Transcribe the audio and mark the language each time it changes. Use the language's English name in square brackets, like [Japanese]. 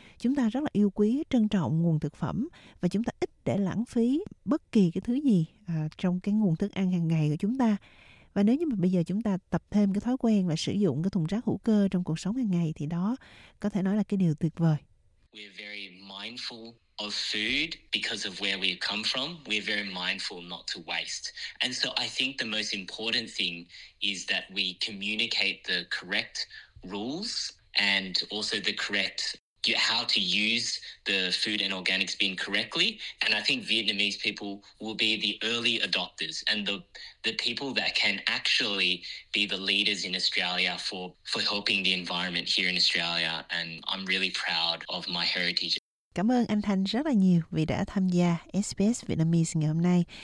[Vietnamese] Chúng ta rất là yêu quý, trân trọng nguồn thực phẩm và chúng ta ít để lãng phí bất kỳ cái thứ gì trong cái nguồn thức ăn hàng ngày của chúng ta. Và nếu như mà bây giờ chúng ta tập thêm cái thói quen là sử dụng cái thùng rác hữu cơ trong cuộc sống hàng ngày thì đó có thể nói là cái điều tuyệt vời. [English] We're very mindful of food because of where we've come from. We're very mindful not to waste. And so I think the most important thing is that we communicate the correct rules and also the correct how to use the food and organics bin correctly. And I think Vietnamese people will be the early adopters and the people that can actually be the leaders in Australia for helping the environment here in Australia. And I'm really proud of my heritage. [Vietnamese] Cảm ơn anh Thanh rất là nhiều vì đã tham gia SBS Vietnamese ngày hôm nay.